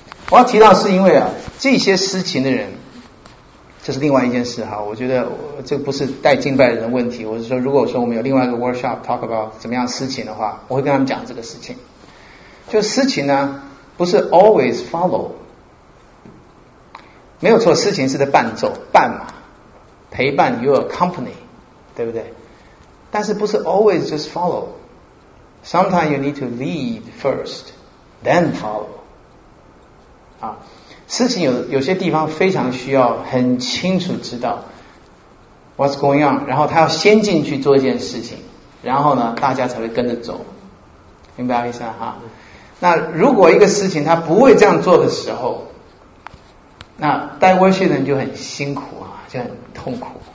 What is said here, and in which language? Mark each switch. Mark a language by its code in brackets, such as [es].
[zh] 我要提到是因为啊，这些侍琴的人。这是另外一件事哈，我觉得这不是带敬拜的人的问题，我是说如果说我们有另外一个 [en] workshop talk about [zh] 怎么样诗琴的话，我会跟他们讲这个事情。就诗琴呢不是 [en] always follow， [zh] 没有错，诗琴是在伴奏伴嘛，陪伴 [en] your company， [zh] 对不对？但是不是 [en] always just follow， sometimes you need to lead first then follow 啊。 [zh] 事情有些地方非常需要很清楚知道 [en] what's going on， [zh] 然后他要先进去做一件事情，然后呢大家才会跟着走，明白意思哈？那如果一个事情他不会这样做的时候，那带 worship 的人就很辛苦啊，就很痛苦。